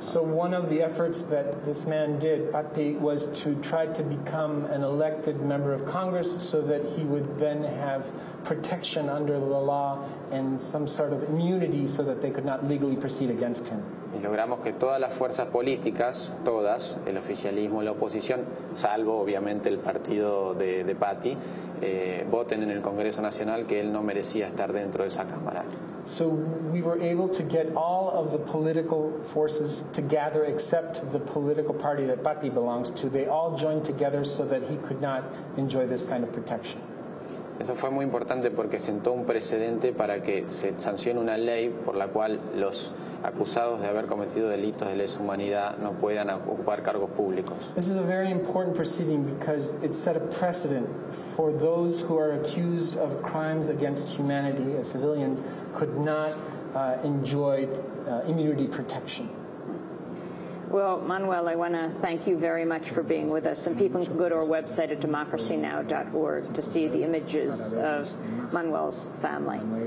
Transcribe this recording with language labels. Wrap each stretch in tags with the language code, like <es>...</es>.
<en>So one of the efforts that this man did, Pati, was to try to become an elected member of Congress so that he would then have protection under the law and some sort of immunity so that they could not legally proceed against him.</en> <es>Y logramos que todas las fuerzas políticas, todas, el oficialismo, la oposición, salvo obviamente el partido de Patti, voten en el Congreso Nacional que él no merecía estar dentro de esa Cámara.</es> <en>So we were able to get all of the political forces to gather except the political party that Patti belongs to. They all joined together so that he could not enjoy this kind of protection.</en> <es>Eso fue muy importante porque sentó un precedente para que se sancione una ley por la cual los acusados de haber cometido delitos de lesa humanidad no puedan ocupar cargos públicos.</es> <en>This is a very important proceeding because it set a precedent for those who are accused of crimes against humanity as civilians could not enjoy immunity protection. Well, Manuel, I want to thank you very much for being with us. And people can go to our website at democracynow.org to see the images of Manuel's family.</en>